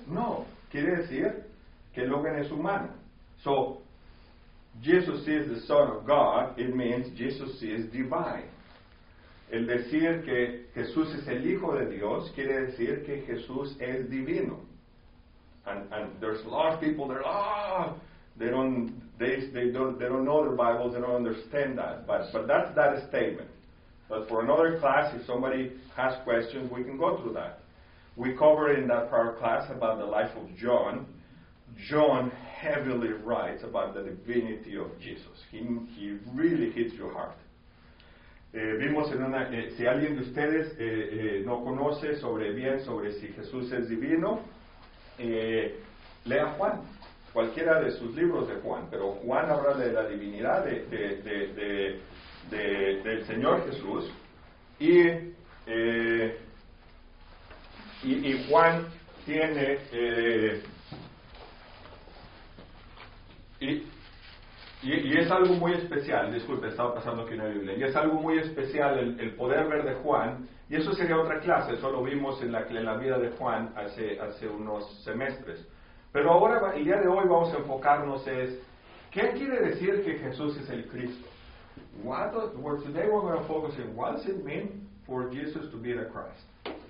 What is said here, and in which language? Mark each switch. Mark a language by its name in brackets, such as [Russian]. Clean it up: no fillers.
[Spanish] No, quiere decir que Logan es humano. [English] So, Jesus is the Son of God, it means Jesus is divine. [Spanish] El decir que Jesús es el hijo de Dios, quiere decir que Jesús es divino. [English] And there's a lot of people that are, They don't know their Bibles, they don't understand that. But that's that statement. But for another class, if somebody has questions, we can go through that. We covered in that prior class about the life of John. John heavily writes about the divinity of Jesus. He really hits your heart. [Spanish] Vimos en una, si alguien de ustedes no conoce sobre bien sobre si Jesús es divino, lea Juan, cualquiera de sus libros de Juan, pero Juan habla de la divinidad del Señor Jesús, y Juan tiene y es algo muy especial, disculpe, estaba pasando aquí una Biblia, y es algo muy especial el poder ver de Juan, y eso sería otra clase, eso lo vimos en la vida de Juan hace unos semestres. Pero ahora, el día de hoy vamos a enfocarnos es, ¿qué quiere decir que Jesús es el Cristo? [English] Today we're going to focus on what does it mean for Jesus to be the Christ?